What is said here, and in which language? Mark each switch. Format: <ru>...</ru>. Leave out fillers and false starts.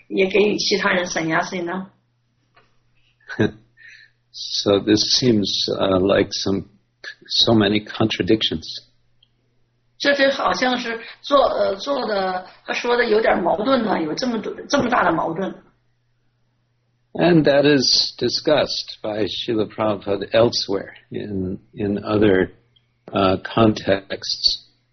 <zh>所以有的人可能就会问，既然这个卡利年代禁止人做sannyasi，为什么帕帕德本人做了sannyasi，他还给别人sannyasi，然后他的灵性导师也是做了sannyasi，然后也给予其他人sannyasi呢？</zh> <en>So this seems like so many contradictions.</en> <zh>这就好像是做的和说的有点矛盾呢，有这么大的矛盾。</zh> <en>And that is discussed by Srila Prabhupada elsewhere in other contexts.</en>